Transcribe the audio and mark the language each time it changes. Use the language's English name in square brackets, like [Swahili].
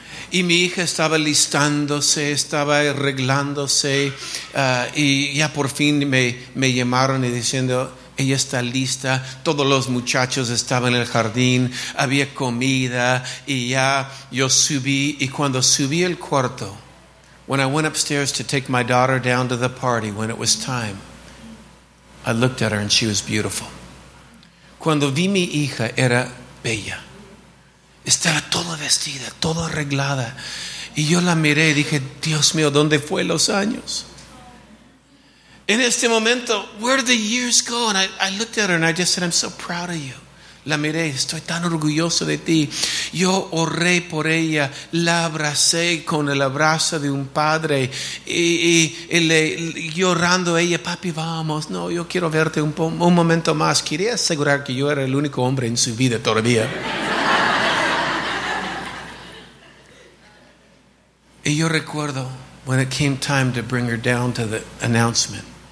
[Spanish] Y mi hija estaba listándose, estaba arreglándose, y ya por fin me llamaron y diciendo, ella está lista, todos los muchachos estaban en el jardín, había comida y ya yo subí. Y cuando subí al cuarto, [English] when I went upstairs to take my daughter down to the party, when it was time, I looked at her and she was beautiful. [Spanish] Cuando vi mi hija, era bella. Estaba toda vestida, toda arreglada. Y yo la miré y dije, Dios mío, ¿dónde fue los años? En este momento, [English] where did the years go? And I looked at her and I just said, I'm so proud of you. [Spanish] La miré, estoy tan orgulloso de ti. Yo oré por ella, la abracé con el abrazo de un padre. Y le llorando a ella, papi, vamos, no, yo quiero verte un momento más. Quería asegurar que yo era el único hombre en su vida todavía. Y yo recuerdo, [English] when it came time to bring her down to the announcement.